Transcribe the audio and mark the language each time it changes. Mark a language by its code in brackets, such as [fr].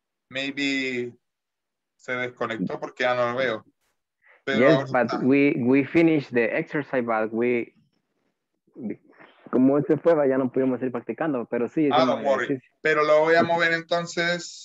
[es] Maybe se desconectó porque ya no lo veo. [en] Pero yes, but we finished the exercise, but we... [es] Como se fue, ya no pudimos ir practicando, pero sí. Ah, no, pero lo voy a mover entonces.